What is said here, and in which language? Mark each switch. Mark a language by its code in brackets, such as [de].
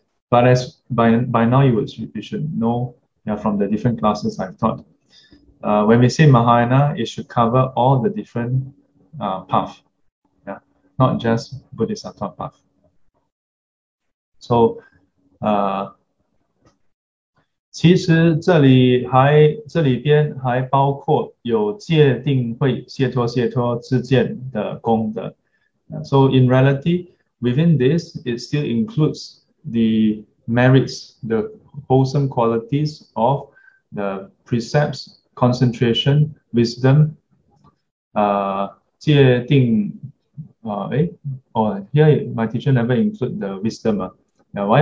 [en] But as by now you should know yeah, from the different classes I've taught, when we say Mahayana, it should cover all the different paths. Not just Bodhisattva path. [zh] So, 其实这里边还包括有戒定慧、解脱、解脱之间的功德。 [en] So in reality, within this, it still includes the merits, the wholesome qualities of the precepts, concentration, wisdom, [zh] 戒定, [en] oh, here my teacher never include the wisdom. Now, why?